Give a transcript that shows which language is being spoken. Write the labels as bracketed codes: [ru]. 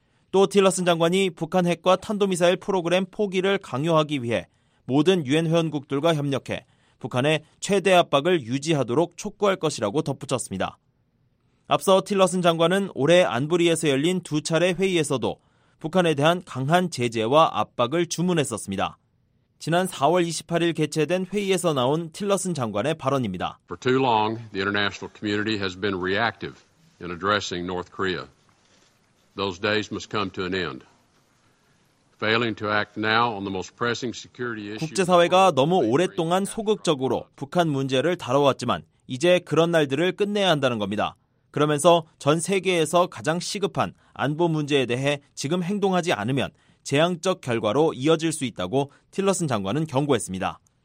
[ko] 또 틸러슨 장관이 북한 핵과 탄도미사일 프로그램 포기를 강요하기 위해 모든 유엔 회원국들과 협력해 북한의 최대 압박을 유지하도록 촉구할 것이라고 덧붙였습니다. 앞서 틸러슨 장관은 올해 안보리에서 열린 두 차례 회의에서도 북한에 대한 강한 제재와 압박을 주문했었습니다. 지난 4월 28일 개최된 회의에서 나온 틸러슨 장관의 발언입니다. [en] For too long, the international community has been reactive in addressing North Korea. Those days must come to an end. Failing to act now on the most pressing security issue. [ko] 국제사회가 너무 오랫동안 소극적으로 북한 문제를 다뤄왔지만 이제 그런 날들을 끝내야 한다는 겁니다. 그러면서 전 세계에서 가장 시급한 안보 문제에 대해 지금 행동하지 않으면 재앙적 결과로 이어질 수 있다고 틸러슨 장관은 경고했습니다.